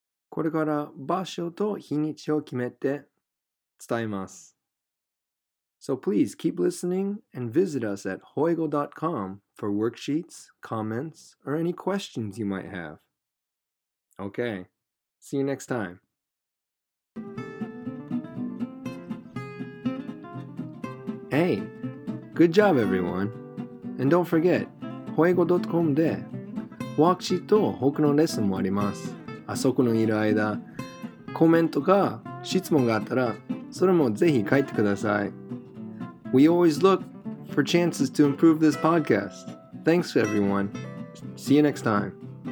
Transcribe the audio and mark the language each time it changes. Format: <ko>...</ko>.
<ja>これから場所と日にちを決めて伝えます。</ja> <en>So please keep listening and visit us at hoigo.com for worksheets, comments, or any questions you might have. Okay, see you next time. Hey, good job everyone! And don't forget, hoigo.com</en> <ja>でワークシート他のレッスンもあります。あそこのいる間、コメントか質問があったら、それもぜひ書いてください。</ja> <en>We always look for chances to improve this podcast. Thanks everyone. See you next time.</en>